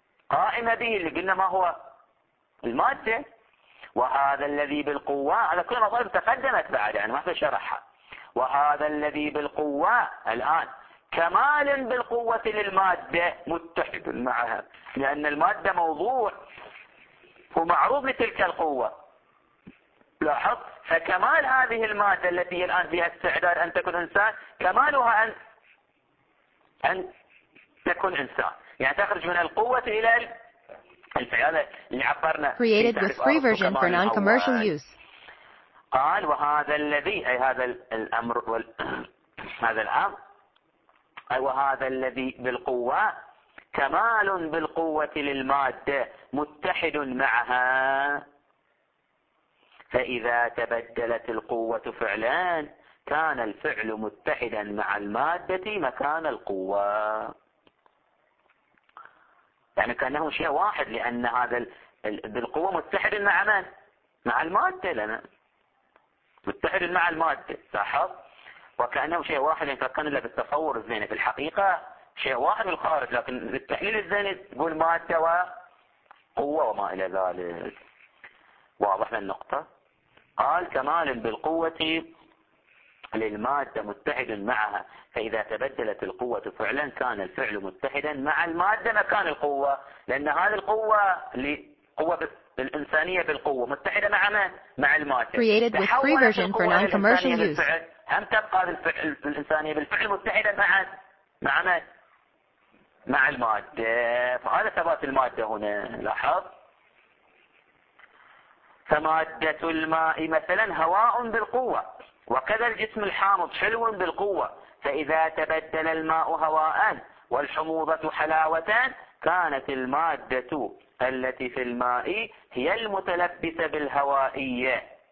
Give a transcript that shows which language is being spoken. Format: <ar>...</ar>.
<ar>قائمة به، اللي قلنا ما هو المادة، وهذا الذي بالقوة على كل مطلب تقدمت بعد يعني ما في شرحها، وهذا الذي بالقوة الآن كمال بالقوة للمادة متحد معها، لأن المادة موضوع ومعروض لتلك القوة. لاحظ، فكمال هذه المادة التي الآن فيها استعداد أن تكون إنسان كمالها أن تكون إنسان، يعني تخرج من القوة إلى الفعل اللي عبرنا</ar> <en>created with free version for non-commercial use.</en> <ar>قال وهذا الذي، أي هذا الأمر هذا الأمر، أي وهذا الذي بالقوة كمال بالقوة للمادة متحد معها، فإذا تبدلت القوة فعلان كان الفعل متحدا مع المادة مكان القوة، يعني كأنه شيء واحد، لأن هذا بالقوة متحد مع من؟ مع المادة، لنا متحد مع المادة، لاحظ، وكأنه شيء واحد، يعني كان له بالتصور الزين في الحقيقة شيء واحد بالخارج، لكن بالتحليل الزين يقول مادة وقوة وما إلى ذلك. واضح النقطة؟ قال كمال بالقوة للمادة متحد معها، فإذا تبدلت القوة فعلا كان الفعل متحدا مع المادة مكان القوة، لأن هذه القوة لقوة الإنسانية بالقوة متحدة مع ما؟ مع المادة،</ar> <en>created with free version for non-commercial use،</en> <ar>هم تبقى الإنسانية بالفعل متحدة مع ما؟ مع المادة، فهذا ثبات المادة هنا. لاحظ، فمادة الماء مثلا هواء بالقوة، وكذا الجسم الحامض حلو بالقوة، فإذا تبدل الماء هواء والحموضة حلاوة كانت المادة التي في الماء هي المتلبسة بالهوائية،</ar>